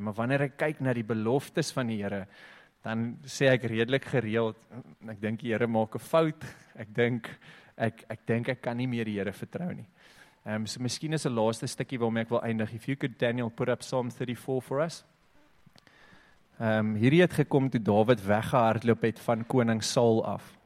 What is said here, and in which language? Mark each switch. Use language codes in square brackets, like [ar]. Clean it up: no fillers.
[af] Maar wanneer ek kyk na die beloftes van die Here, dan sê ek redelik gereeld, ek dink die Here maak 'n fout, ek dink ek kan nie meer die Here vertrou nie. So miskien is 'n laaste stukkie waarmee ek wil eindig. [en] If you could, Daniel, put up Psalm 34 for us. [af] Hierdie het gekom toe Dawid weggehardloop het van koning Saul af.